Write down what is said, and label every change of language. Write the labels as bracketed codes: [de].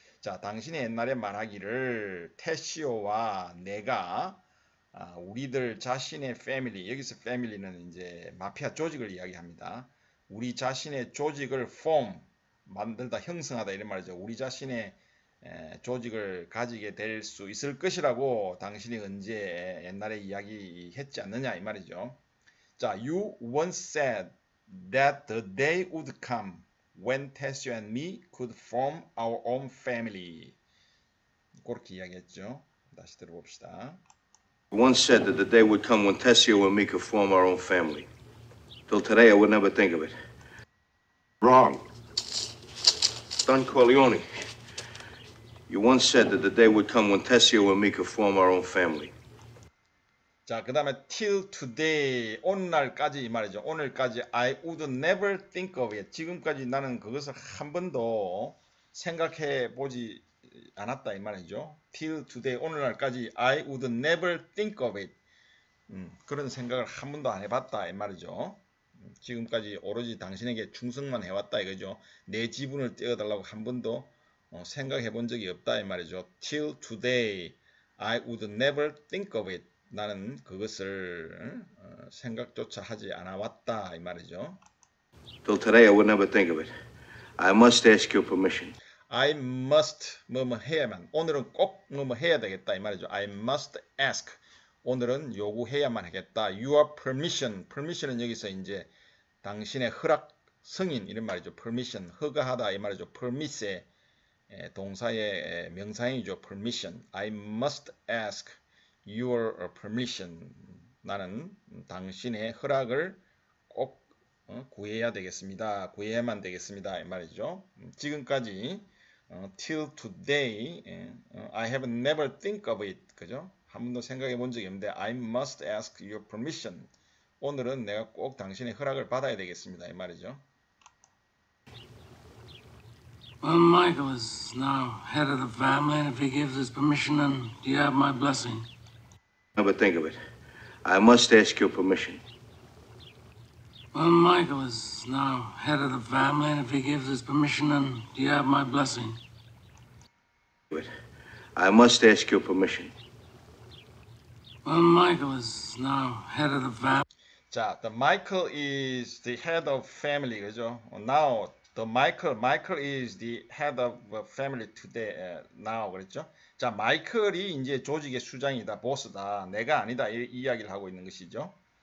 [ko] 자, 당신이 옛날에 말하기를 Tessio와 내가 우리들 자신의 family, 여기서 family는 이제 마피아 조직을 이야기합니다. 우리 자신의 조직을 form, 만들다, 형성하다 이런 말이죠. 우리 자신의 조직을 가지게 될 수 있을 것이라고 당신이 언제 옛날에 이야기했지 않느냐 이 말이죠. [en] 자, you once said that the day would come when Tessio and me could form our own family. [ko] 그렇게 이야기했죠. 다시 들어봅시다. [en] Once said that the day would come when Tessio and me could form our own family. Till today, I would never think of it. Wrong. Don Corleone, you once said that the day would come when Tessio and me could form our own family. [ko] 자, 그 다음에 [en] till today, [ko] 오늘까지 이 말이죠. 오늘까지 [en] I would never think of it. [ko] 지금까지 나는 그것을 한 번도 생각해 보지 않았다 이 말이죠. [en] Till today, [ko] 오늘날까지 [en] I would never think of it. [ko] 그런 생각을 한 번도 안 해봤다 이 말이죠. 지금까지 오로지 당신에게 충성만 해왔다 이거죠. 내 지분을 떼어달라고 한 번도 생각해 본 적이 없다 이 말이죠. [en] Till today, I would never think of it. [ko] 나는 그것을 생각조차 하지 않아 왔다 이 말이죠. [en] Till today, I would never think of it. I must ask your permission. I must [ko] 뭐뭐 해야만. 오늘은 꼭 뭐뭐 해야 되겠다 이 말이죠. [en] I must ask. [ko] 오늘은 요구해야만 하겠다. [en] Your permission. [ko] Permission은 여기서 이제 당신의 허락, 승인 이런 말이죠. Permission, 허가하다 이 말이죠. Permit의 동사의 명사형이죠. Permission. [en] I must ask your permission. [ko] 나는 당신의 허락을 꼭 구해야 되겠습니다. 구해야만 되겠습니다. 이 말이죠. 지금까지 [en] till today I have never think of it. [ko] 그죠? 한 번도 생각해 본 적이 없는데 [en] I must ask your permission. [ko] 오늘은 내가 꼭 당신의 허락을 받아야 되겠습니다. 이 말이죠. [en] Well, Michael is now head of the family and if he gives his permission then you have my blessing. Never think of it. I must ask your permission. Well, Michael is now head of the family and if he gives his permission then you have my blessing. I must ask your permission. Well, Michael is now head of the family. 자, the Michael is the head of family, [ko] 그죠? [en] Now, the Michael is the head of family today, now, [ko] 그랬죠? 자, 마이클이 이제 조직의 수장이다, 보스다, 내가 아니다, 이 이야기를 하고 있는 것이죠.